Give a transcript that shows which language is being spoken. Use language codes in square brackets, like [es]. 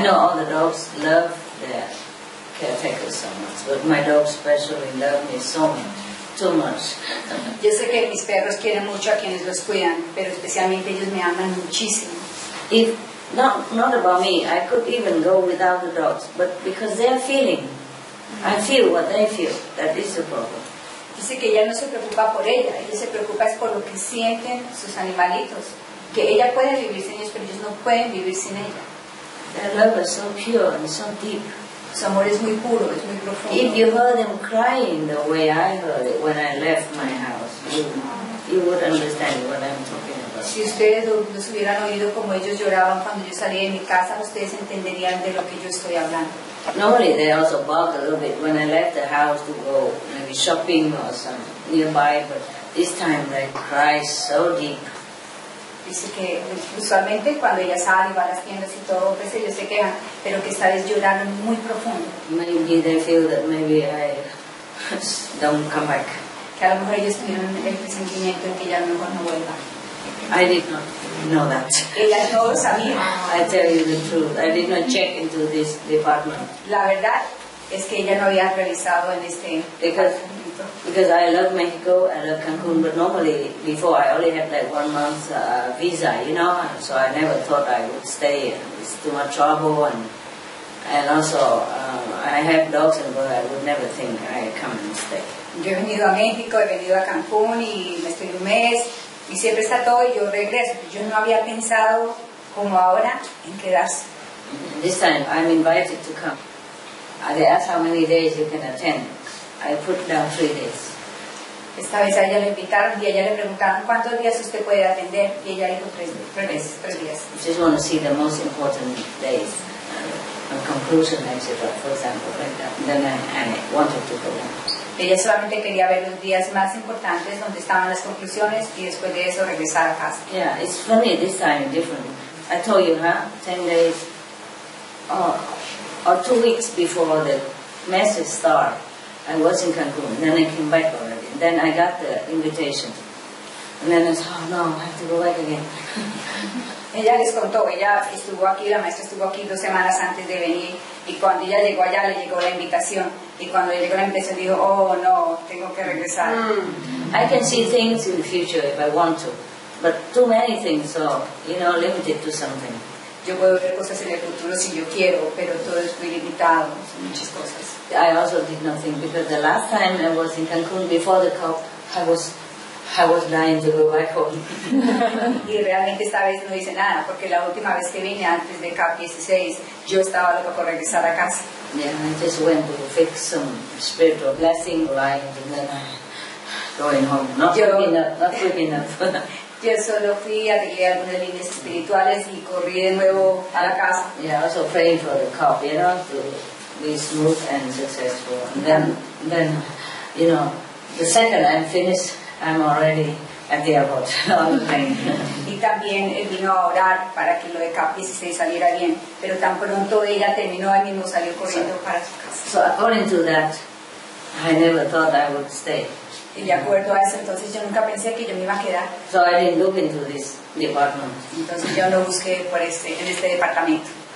[en] know all the dogs love their caretakers so much, but my dog especially love me so much, too much. [es] Yo sé que mis perros quieren mucho a quienes los cuidan, pero especialmente ellos me aman muchísimo. [en] If not about me, I could even go without the dogs, but because they are feeling, I feel what they feel. That is the problem. [es] Dice que ella no se preocupa por ella, ella se preocupa es por lo que sienten sus animalitos, que ella puede vivir sin ellos, pero ellos no pueden vivir sin ella. [en] Their love is so pure and so deep. [es] Su amor es muy puro, es muy profundo. [en] If you heard them crying the way I heard it when I left my house, you would understand what I'm talking about. [es] Si ustedes los hubieran oído como ellos lloraban cuando yo salí de mi casa, ustedes entenderían de lo que yo estoy hablando. [en] Normally they also bark a little bit when I left the house to go maybe shopping or something nearby, but this time they cry so deep. [es] Dice que usualmente cuando ella sale y va a las tiendas y todo, pues ellos se quejan, pero que esta vez lloraron muy profundo. [en] Maybe they feel that maybe I don't come back. [es] Que a lo mejor ellos tuvieron el presentimiento de que ya a lo mejor no vuelva. [en] I did not know that. [es] Ella no lo sabía. [en] I tell you the truth. I did not check into this department. [es] La verdad es que ella no había revisado en este. [en] Because I love Mexico, I love Cancun, but normally before I only had like 1 month visa, you know, so I never thought I would stay. It's too much trouble, and also I have dogs, and but I would never think I'd come and stay. [es] Yo he venido a México, he venido a Cancun, y me estoy un mes. Y siempre está todo y yo regreso. Yo no había pensado como ahora en quedarse. [en] This time I'm invited to come. They ask how many days you can attend. I put down 3 days. [es] Esta vez a ella le invitaron y a ella le preguntaron cuántos días usted puede atender y ella dijo tres días. [en] I just want to see the most important days. A conclusion, etc. For example, like that. Then I wanted to go. [es] Ella solamente quería ver los días más importantes donde estaban las conclusiones y después de eso regresar a casa. [en] Yeah, it's funny, this time different. I told you, huh? 10 days or 2 weeks before the message start, I was in Cancun. Then I came back already. Then I got the invitation. And then I said, oh no, I have to go back again. [es] Ella les contó, ella estuvo aquí, la maestra estuvo aquí 2 semanas antes de venir y cuando ella llegó allá le llegó la invitación y cuando llegó la invitación dijo, oh no, tengo que regresar. [en] I can see things in the future if I want to, but too many things, so, you know, limited to something. [es] Yo puedo ver cosas en el futuro si yo quiero, pero todo es muy limitado, muchas cosas. [en] I also did nothing because the last time I was in Cancun before the COP, I was dying to go back home. [es] Y realmente esta vez no hice nada, porque la última vez que vine antes de CAP 16, yo estaba loca por regresar a casa. [en] Yeah, I just went to fix some spiritual blessing, right, and then I'm going home. Not quick enough. [es] Yo solo fui, arreglé algunas líneas espirituales y corrí de nuevo a la casa. [en] Yeah, also praying for the CAP, you know, to be smooth and successful. And then, you know, the second I'm finished, I'm already at the airport. [es] Y también vino a orar para que lo de CAP 16 saliera bien, pero tan pronto ella terminó, ahí mismo salió corriendo para su casa. [en] So according to that, I never thought I would stay. [es] Y de acuerdo a eso, entonces yo nunca pensé que yo me iba a quedar. [en] So I didn't look into this department. [es] Entonces yo no busqué por este, en este departamento.